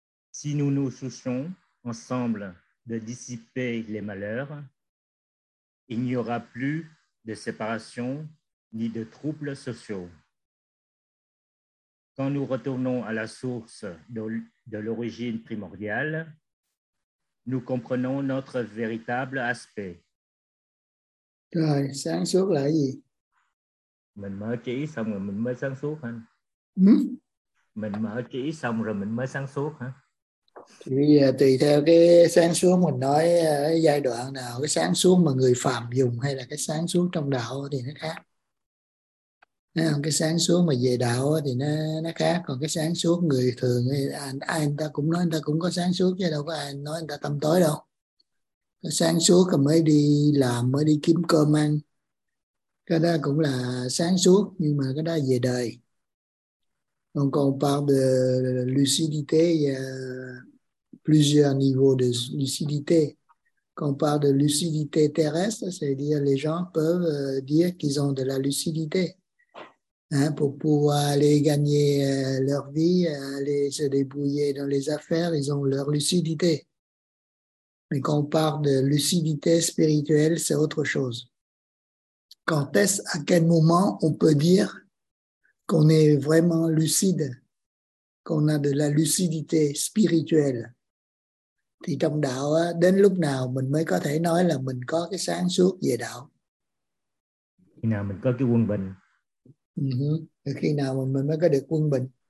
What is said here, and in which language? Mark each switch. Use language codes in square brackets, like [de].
[fr] Si nous nous soucions ensemble de dissiper les malheurs, il n'y aura plus de séparation ni de troubles sociaux. Quand nous retournons à la source de l'origine primordiale, nous comprenons notre véritable aspect. [vi] Rồi, sáng suốt là gì? Mình mở trí xong rồi mình mới sáng suốt hả? Mình mở trí xong rồi mình mới sáng suốt hả? Thì bây giờ tùy theo cái sáng suốt mình nói giai đoạn nào, cái sáng suốt mà người phàm dùng hay là cái sáng suốt trong đạo thì nó khác. Cái sáng suốt mà về đạo thì nó khác, còn cái sáng suốt người thường thì ai người ta cũng nói người ta cũng có sáng suốt chứ đâu có ai nói người ta tâm tối đâu. Cái sáng suốt là mới đi làm, mới đi kiếm cơm ăn, cái đó cũng là sáng suốt, nhưng mà cái đó về đời. [fr] Còn parle de lucidité, il y a plusieurs niveaux de lucidité. Quand on parle de lucidité terrestre, c'est-à-dire les gens peuvent dire qu'ils ont de la lucidité. Hein, pour pouvoir aller gagner leur vie, aller se débrouiller dans les affaires, ils ont leur lucidité. Mais quand on parle de lucidité spirituelle, c'est autre chose. Quand est-ce, à quel moment on peut dire qu'on est vraiment lucide, qu'on a de la lucidité spirituelle? [vi] Thì trong đạo, đến lúc nào mình mới có thể nói là mình có cái sáng suốt về đạo? Khi nào mình có cái quân bình? Khi nào mình mới có được quân bình?